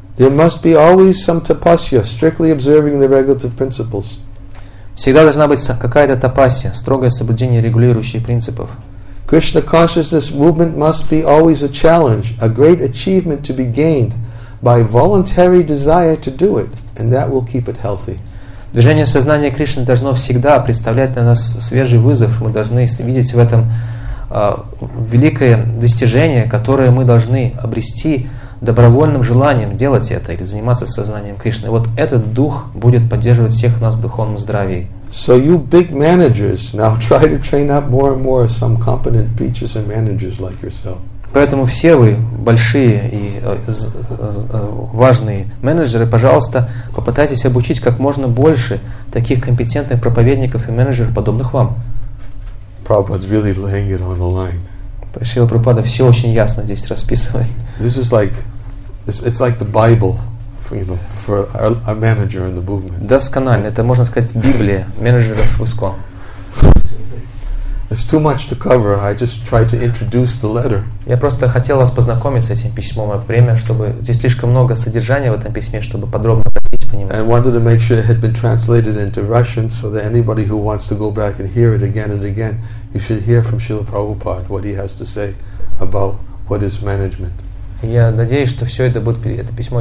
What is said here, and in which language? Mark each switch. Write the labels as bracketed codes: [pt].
[en] There must be always some tapasya, strictly observing the regulative principles. [ru] Всегда должна быть какая-то тапасья, строгое соблюдение регулирующих принципов. [en] Krishna consciousness movement must be always a challenge, a great achievement to be gained by voluntary desire to do it, and that will keep it healthy. [ru] Движение сознания Кришны должно всегда представлять для нас свежий вызов. Мы должны видеть в этом великое достижение, которое мы должны обрести добровольным желанием делать это или заниматься сознанием Кришны. Вот этот дух будет поддерживать всех нас в духовном здравии. [en] So you big managers now try to train up more and more some competent preachers and managers like yourself. [ru] Поэтому все вы большие и важные менеджеры, пожалуйста, попытайтесь обучить как можно больше таких компетентных проповедников и менеджеров подобных вам. [en] Prabhupada's really laying it on the line. [ru] То есть Шрила Прабхупада все очень ясно здесь расписывает. [en] This is like it's like the Bible. You know, for a manager in the movement. [ru] Досконально. Это можно сказать Библия менеджеров УСКО. [en] It's too much to cover. I just tried to introduce the letter. [ru] Я просто хотел вас познакомить с этим письмом. Время, чтобы здесь слишком много содержания в этом письме, чтобы подробно пройтись по нему. [en] And wanted to make sure it had been translated into Russian, so that anybody who wants to go back and hear it again and again, you should hear from Srila Prabhupada what he has to say about what is management. [ru] Я надеюсь, что все это будет это письмо.